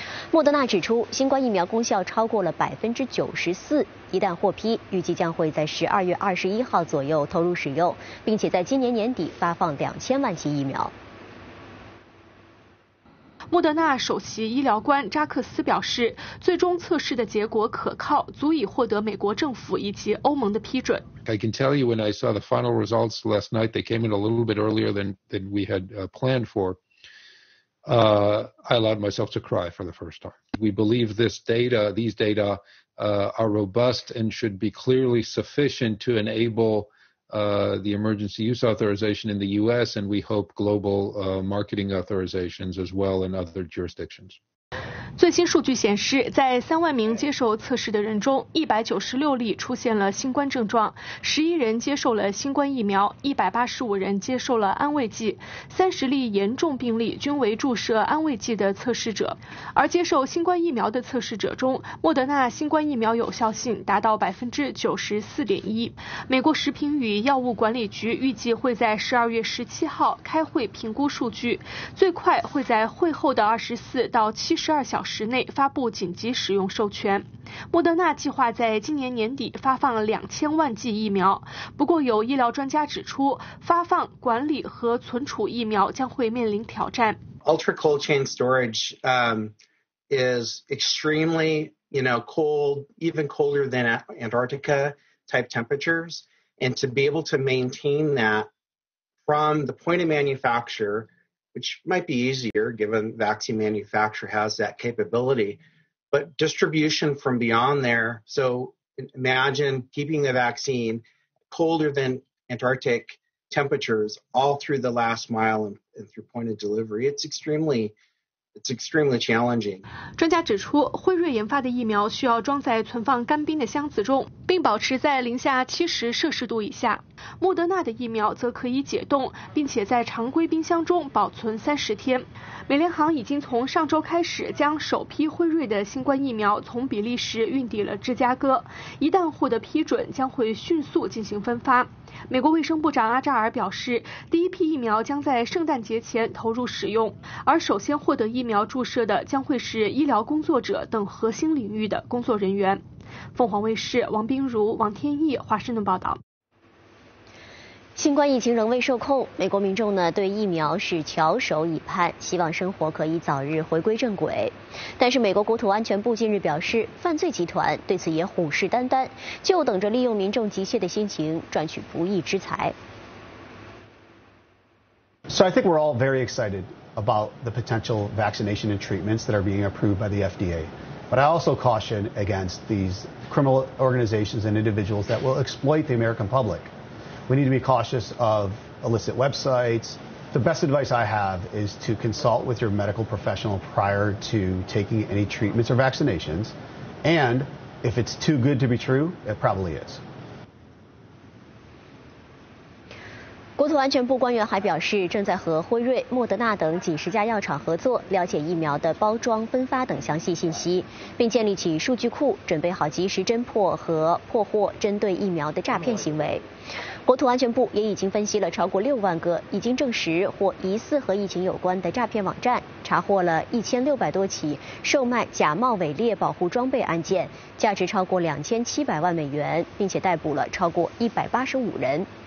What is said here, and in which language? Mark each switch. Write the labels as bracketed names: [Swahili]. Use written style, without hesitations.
[Chinese] 莫德纳指出，新冠疫苗功效超过了94%，一旦获批，预计将会在12月21号左右投入使用，并且在今年年底发放2000万剂疫苗。莫德纳首席医疗官扎克斯表示，最终测试的结果可靠，足以获得美国政府以及欧盟的批准。 [English] I can tell you when I saw the final results last night, they came in a little bit earlier than we had planned for. I allowed myself to cry for the first time. We believe these data are robust and should be clearly sufficient to enable the emergency use authorization in the U.S. and we hope global marketing authorizations as well in other jurisdictions. [Chinese] 最新数据显示，在30000名接受测试的人中，196例出现了新冠症状，11人接受了新冠疫苗，185人接受了安慰剂，30例严重病例均为注射安慰剂的测试者。而接受新冠疫苗的测试者中，莫德纳新冠疫苗有效性达到94.1%。美国食品与药物管理局预计会在12月17号开会评估数据，最快会在会后的24到72小时内发布紧急使用授权。莫德纳计划在今年年底发放2000万剂疫苗，不过有医疗专家指出，发放、管理和存储疫苗将会面临挑战。 [English] Ultra cold chain storage is extremely, you know, cold, even colder than Antarctica type temperatures, and to be able to maintain that from the point of manufacture. Which might be easier given vaccine manufacturer has that capability, but distribution from beyond there. So imagine keeping the vaccine colder than Antarctic temperatures all through the last mile and through point of delivery. It's extremely challenging. [Chinese] 专家指出，辉瑞研发的疫苗需要装在存放干冰的箱子中，并保持在-70摄氏度以下。莫德纳的疫苗则可以解冻，并且在常规冰箱中保存30天。美联航已经从上周开始将首批辉瑞的新冠疫苗从比利时运抵了芝加哥，一旦获得批准，将会迅速进行分发。美国卫生部长阿扎尔表示，第一批疫苗将在圣诞节前投入使用，而首先获得疫苗注射的将会是医疗工作者等核心领域的工作人员。凤凰卫视王冰如、王天翼华盛顿报道。新冠疫情仍未受控，美国民众呢对疫苗是翘首以盼，希望生活可以早日回归正轨。但是美国国土安全部近日表示，犯罪集团对此也虎视眈眈，就等着利用民众急切的心情赚取不义之财。 [English] So I think we're all very excited about the potential vaccination and treatments that are being approved by the FDA. But I also caution against these criminal organizations and individuals that will exploit the American public. We need to be cautious of illicit websites. The best advice I have is to consult with your medical professional prior to taking any treatments or vaccinations. And If it's too good to be true, it probably is. [Chinese] 国土安全部官员还表示，正在和辉瑞、莫德纳等几十家药厂合作，了解疫苗的包装、分发等详细信息，并建立起数据库，准备好及时侦破和破获针对疫苗的诈骗行为。国土安全部也已经分析了超过60000个已经证实或疑似和疫情有关的诈骗网站，查获了1600多起售卖假冒伪劣保护装备案件，价值超过2700万美元，并且逮捕了超过185人。